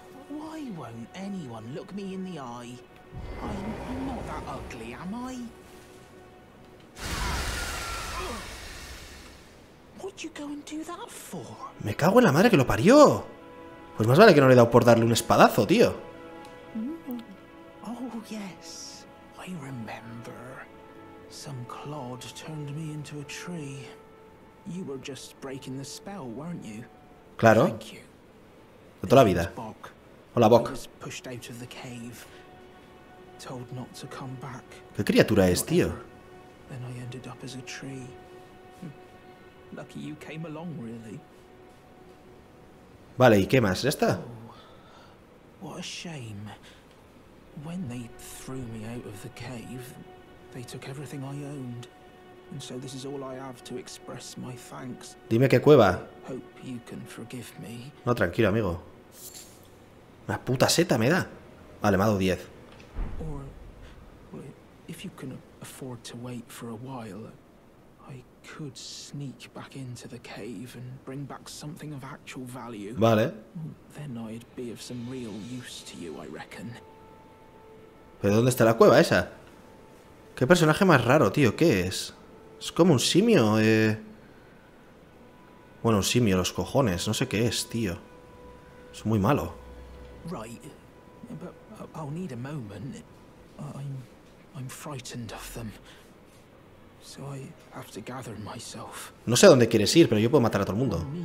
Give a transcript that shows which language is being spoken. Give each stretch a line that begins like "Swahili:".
English: Why won't anyone look me in the eye? I'm not that ugly, am I? What you going to do that for?
Spanish: Me cago en la madre que lo parió. Pues más vale que no le he dado por darle un espadazo, tío.
English: Oh, yes. I remember. Some Claude turned me into a tree. You were just breaking the spell, weren't you?
Spanish: Claro.
English: Thank you.
Spanish: De toda la vida. Hola, Bok.
English: I was pushed out of the cave, told not to come back.
Spanish: ¿Qué criatura es, tío?
English: Then I ended up as a tree. Lucky you came along, really.
Spanish: Vale, ¿y qué más? ¿Ya está?
English: Oh, what a shame. When they threw me out of the cave, they took everything I owned. And so this is all I have to express my thanks.
Spanish: Dime qué cueva.
English: Hope you can forgive me.
Spanish: No, tranquilo, amigo. Una puta seta me da. Vale, me ha dado 10.
English: Or, well, if you can afford to wait for a while, I could sneak back into the cave and bring back something of actual value.
Spanish: Vale.
English: Then I'd be of some real use to you, I reckon.
Spanish: ¿Pero dónde está la cueva esa? ¿Qué personaje más raro, tío? ¿Qué es? Es como un simio, Bueno, un simio, los cojones. No sé qué es, tío. Es muy malo.
English: Right. But I'll need a moment. I'm frightened of them. So I have to gather myself.
Spanish: No sé a dónde quieres ir, pero yo puedo matar a todo el mundo.